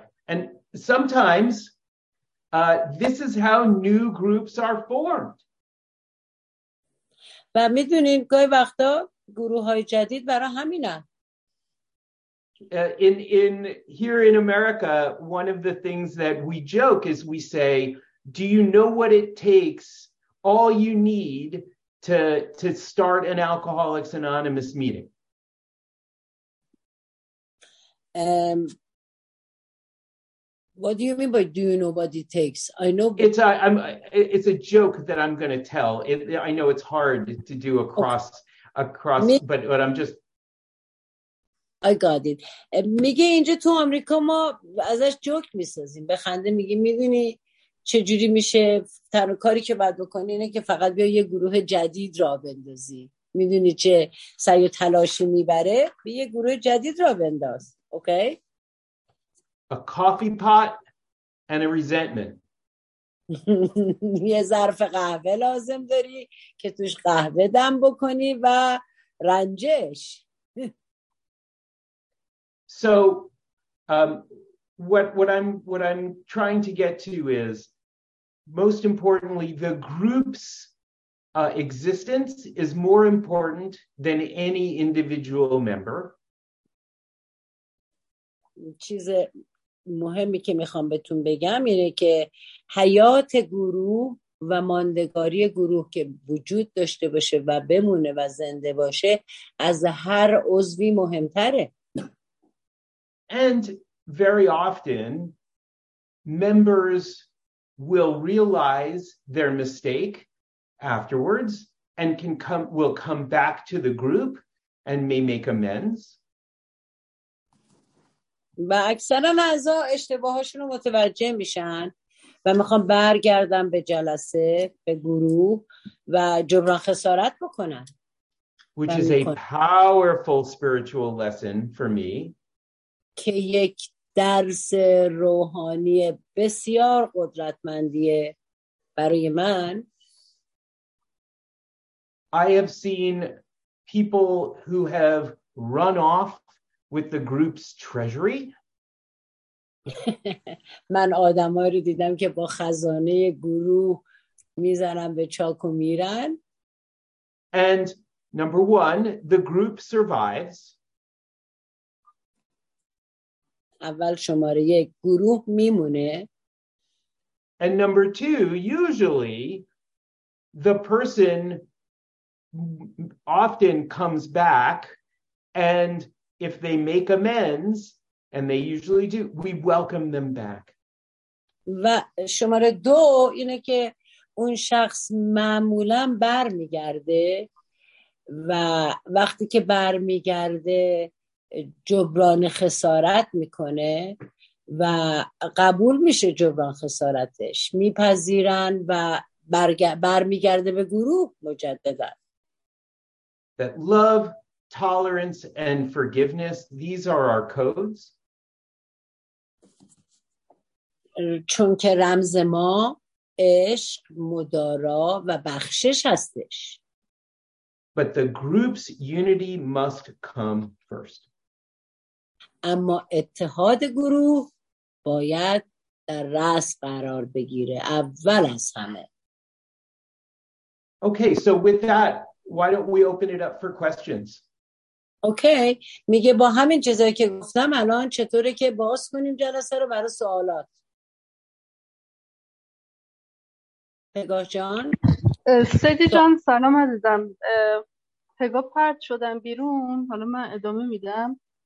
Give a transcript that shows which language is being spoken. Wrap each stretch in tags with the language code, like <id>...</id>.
<en>And sometimes this is how new groups are formed.</en> <fa>و میدونین گاهی وقتا گروه های جدید برای همینه.</fa> <en>In here in America, one of the things that we joke is we say, "Do you know what it takes? All you need to start an Alcoholics Anonymous meeting." What do you mean by "Do you know what it takes"? I know it's a joke that I'm going to tell. I know it's hard to do across, but I'm just. I got it.</en> <fa>میگه اینجا تو آمریکا ما ازش جوک میسازیم، به خنده میگیم میدونی چه جوری میشه، تنها کاری که باید بکنی اینه که فقط بیا یه گروه جدید را بندازی، میدونی چه سعی و تلاشی میبره، بیا یه گروه جدید را بنداز. اوکی؟</fa> <en>A coffee pot and a resentment.</en> <fa>یه ظرف قهوه لازم داری که توش قهوه دم بکنی و رنجش.</fa> <en>So what I'm trying to get to is, most importantly, the group's existence is more important than any individual member.</en> <fa>چیز مهمی که میخوام بهتون بگم اینه که حیات گروه و ماندگاری گروه که وجود داشته باشه و بمونه و زنده باشه از هر عضوی مهمتره.</fa> <en>And very often, members will realize their mistake afterwards and will come back to the group and may make amends.</en> <fa>اکثر اعضا اشتباهاشون رو متوجه میشن و میخوان برگردن به جلسه، به گروه و جبران خسارت بکنن.</fa> <en>Which is a powerful spiritual lesson for me.</en> <fa>که یک درس روحانی بسیار قدرتمندیه برای من.</fa> <en>I have seen people who have run off with the group's treasury.</en> <fa>من آدمایی رو دیدم که با خزانه گروه میزنن به چاک و میرن.</fa> <en>And Number one, the group survives.</en> <fa>اول شماره یک گروه میمونه.</fa> <en>And number two, usually the person often comes back, and if they make amends, and they usually do, we welcome them back.</en> <fa>و شماره دو اینه که اون شخص معمولا بر میگرده و وقتی که بر میگرده جبران خسارت میکنه و قبول میشه جبران خسارتش میپذیرن و برمیگرده به گروه مجددن.</fa> <en>That love, tolerance and forgiveness, these are our codes.</en> <fa>چون که رمز ما عشق، مدارا و بخشش هستش.</fa> <en>But the group's unity must come first.</en> <fa>اما اتحاد گروه باید در رأس قرار بگیره اول از همه.</fa> <en>Okay, so with that, why don't we open it up for questions?</en> <fa>Okay, میگه با همین چیزایی که گفتم الان چطوره که باز کنیم جلسه رو برای سوالات. پگاه جان؟ سیدی جان سلام عزیزم. پگاه پرت شدم بیرون، حالا من ادامه میدم.</fa>